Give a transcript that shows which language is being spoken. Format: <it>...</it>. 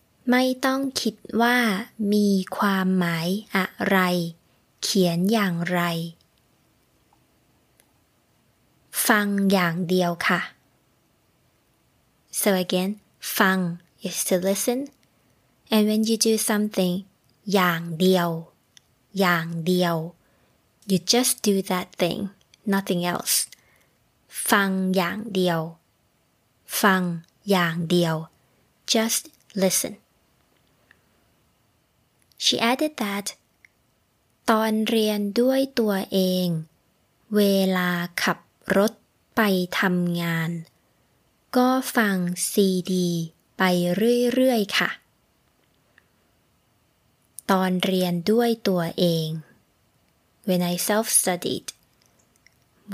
<th>ไม่ต้องคิดว่ามีความหมายอะไรเขียนอย่างไรฟังอย่างเดียวค่ะ</th> <en>So again, ฟัง is to listen. And when you do something, อย่างเดียวอย่างเดียว You just do that thing, nothing else.</en> <th>ฟังอย่างเดียวฟังอย่างเดียว</th> <en>just listen she added that</en> <th>ตอนเรียนด้วยตัวเองเวลาขับรถไปทำงานก็ฟังซีดีไปเรื่อยๆค่ะตอนเรียนด้วยตัวเอง</th> <en>when I self-studied</en> <th>เ</th>